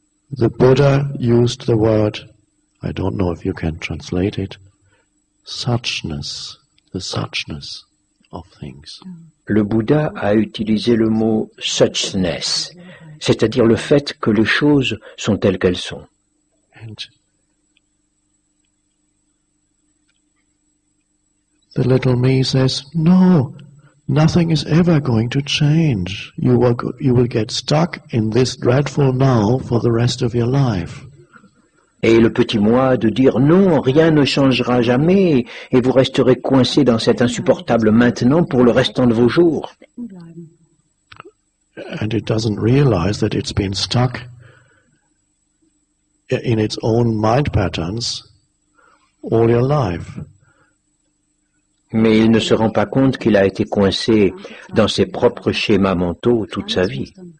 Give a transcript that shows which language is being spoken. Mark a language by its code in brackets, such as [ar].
[en] The Buddha used the word, I don't know if you can translate it, suchness, the suchness of things. [fr] Le Bouddha a utilisé le mot suchness, c'est-à-dire le fait que les choses sont telles qu'elles sont. [en] And the little me says, no, nothing is ever going to change. You will get stuck in this dreadful now for the rest of your life. [fr] Et le petit moi de dire, non, rien ne changera jamais, et vous resterez coincé dans cet insupportable maintenant pour le restant de vos jours. [en] And it doesn't realize that it's been stuck in its own mind patterns all your life. [fr] Mais il ne se rend pas compte qu'il a été coincé dans ses propres schémas mentaux toute sa vie.